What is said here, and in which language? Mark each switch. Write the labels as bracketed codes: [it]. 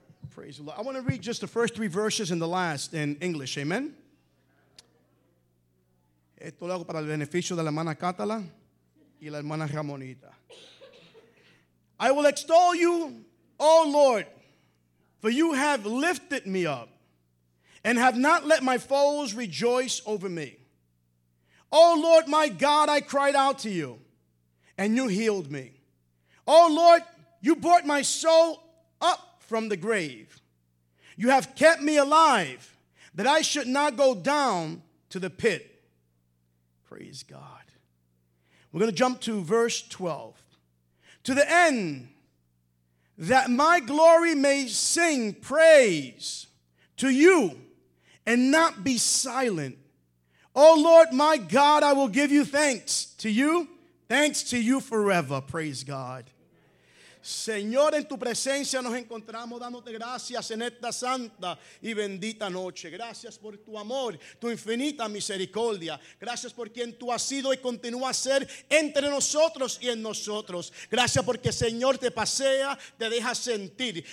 [en] Praise the Lord. I want to read just the first three verses and the last in English. Amen. [es] Esto lo hago para el beneficio de la hermana Catalán y la hermana Ramonita. [en] I will extol you, O Lord, for you have lifted me up and have not let my foes rejoice over me. O Lord, my God, I cried out to you and you healed me. O Lord, you brought my soul up from the grave. You have kept me alive that I should not go down to the pit. Praise God. We're going to jump to verse 12. To the end that my glory may sing praise to you and not be silent. O Lord, my God, I will give you thanks to you forever. Praise God. [es] Señor, en tu presencia nos encontramos dándote gracias en esta santa y bendita noche. Gracias por tu amor, tu infinita misericordia. Gracias por quien tú has sido y continúas a ser entre nosotros y en nosotros. Gracias porque, Señor, te pasea, te deja sentir.